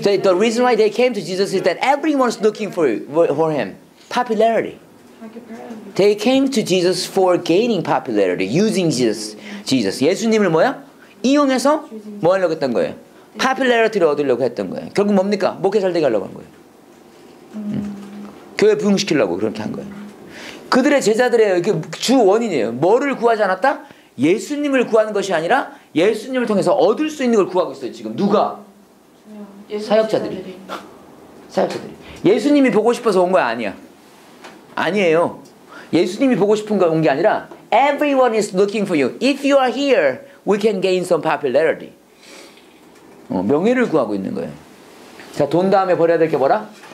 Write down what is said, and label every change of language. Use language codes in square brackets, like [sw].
[en] The reason why they came to Jesus is that everyone is looking for him. Popularity. They came to Jesus for gaining popularity, using Jesus. [ko] 예수님을 뭐야? 이용해서 뭐 하려고 했던 거예요? Popularity를 얻으려고 했던 거예요. 결국 뭡니까? 목회 잘 되게 하려고 한 거예요. 교회 부흥시키려고 그렇게 한 거예요. 그들의 제자들의 주 원인이에요. 뭐를 구하지 않았다? 예수님을 구하는 것이 아니라 예수님을 통해서 얻을 수 있는 걸 구하고 있어요. 지금 누가? 사역자들이. 사역자들이. 예수님이 보고 싶어서 온 거야? 아니야. 아니에요. 예수님이 보고 싶은 거 온 게 아니라 [en] Everyone is looking for you. If you are here, we can gain some popularity. [ko] 명예를 구하고 있는 거예요. 자, 돈 다음에 버려야 될 게 뭐라?